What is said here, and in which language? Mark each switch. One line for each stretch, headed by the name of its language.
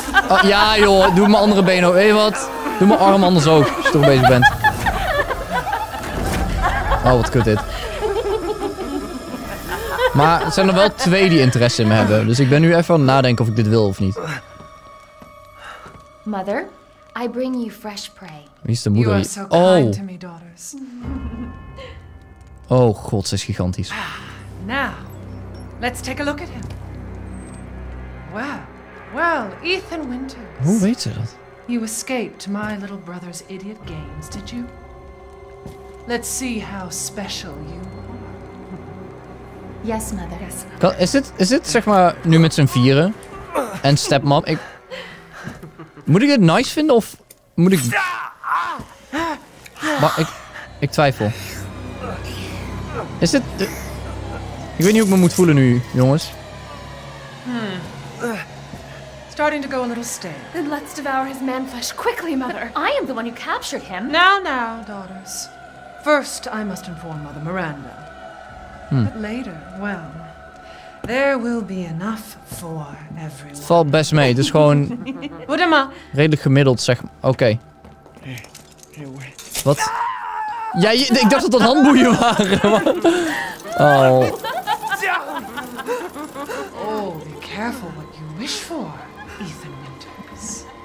Dutch: Oh, ja joh, doe mijn andere been ook. Weet je wat? Doe mijn arm anders ook, als je toch bezig bent. Oh, wat kut dit. Maar er zijn er wel twee die interesse in me hebben. Dus ik ben nu even aan het nadenken of ik dit wil of niet.
English: Mother, I bring you fresh prey.
Dutch: Wie is de moeder?
English: You are so kind to me, daughters.
Dutch: Oh god, ze is gigantisch.
English: Now, let's take a look at him. Well, well, Ethan Winters.
Dutch: Hoe weet ze dat?
English: You escaped my little brother's idiot games, did you? Let's see how special you are. Yes, mother. Yes, mother.
Dutch: Is dit zeg maar nu met z'n vieren? En stepmom? Moet ik het nice vinden of moet ik... Maar ik twijfel. Is dit... Ik weet niet hoe ik me moet voelen nu, jongens.
English: Starting to go a little stale. Then let's devour his man flesh quickly, mother. But I am the one who captured him. Now, daughters. First, I must inform Mother Miranda. But later, well... There will be enough for everyone.
Dutch: Het valt best mee, dus gewoon... redelijk gemiddeld, zeg maar. Oké. Hey, wat? Ja, ik dacht dat dat handboeien waren.
English: Oh, be careful what you wish for, Ethan Winters.